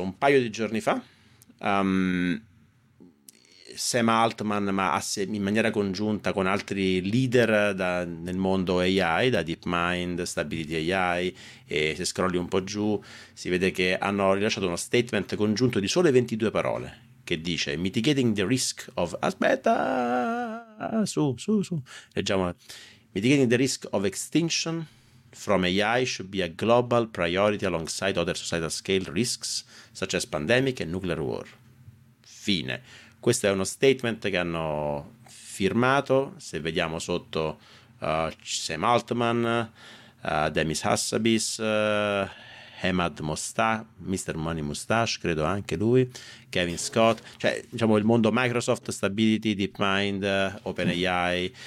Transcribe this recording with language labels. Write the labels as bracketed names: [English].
[Italian] Un paio di giorni fa, Sam Altman, ma in maniera congiunta con altri leader nel mondo AI, da DeepMind, Stability AI, e se scrolli un po' giù si vede che hanno rilasciato uno statement congiunto di sole 22 parole, che dice: [English] Mitigating the risk of... [Italian] Aspetta! Su, leggiamo. [English] Mitigating the risk of extinction from AI should be a global priority alongside other societal scale risks such as pandemic and nuclear war. [Italian] Fine. Questo è uno statement che hanno firmato, se vediamo sotto Sam Altman, Demis Hassabis, Hemad Mostash, Mr. Money Mustache, credo anche lui, Kevin Scott, cioè diciamo il mondo Microsoft, Stability, DeepMind, OpenAI,